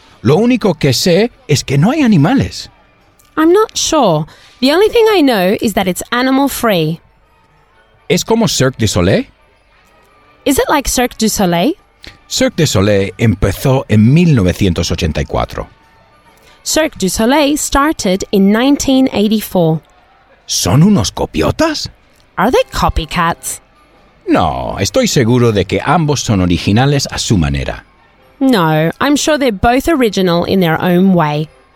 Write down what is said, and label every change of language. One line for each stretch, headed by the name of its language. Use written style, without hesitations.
Spanish: Lo único que sé es que no hay animales.
English: I'm not sure. The only thing I know is that it's animal free.
Spanish: ¿Es como Cirque du Soleil?
English: Is it like Cirque du Soleil?
Spanish: Cirque du Soleil empezó en 1984.
English: Cirque du Soleil started in 1984.
Spanish: ¿Son unos copiotas?
English: Are they copycats?
Spanish: No, estoy seguro de que ambos son originales a su manera.
English: No, I'm sure they're both original in their own way.